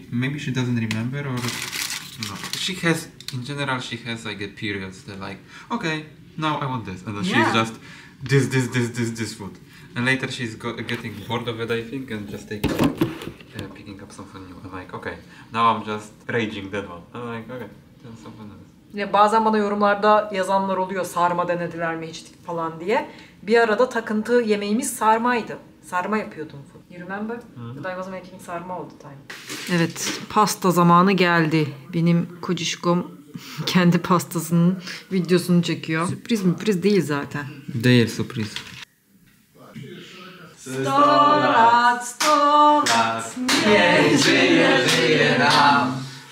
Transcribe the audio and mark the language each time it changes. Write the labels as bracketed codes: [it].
[en] Maybe she doesn't remember or no. She has, in general, she has like a period that like, okay, now I want this, and then she's just this food, and later she's getting bored of it, I think, and just taking picking up something new. I'm like, okay, now I'm just raging that one. I'm like, okay. [tr] Ya bazen bana yorumlarda yazanlar oluyor, sarma denediler mi hiç falan diye. Bir arada takıntı yemeğimiz sarmaydı. Sarma yapıyordum. [en] You remember? But I was making sarma all the time. [tr] Evet, pasta zamanı geldi. Benim kocişkom kendi pastasının videosunu çekiyor. Sürpriz mi? Sürpriz değil zaten. Değil, sürpriz. [pl] Stolat, stolat, nie żyje, żyje nam.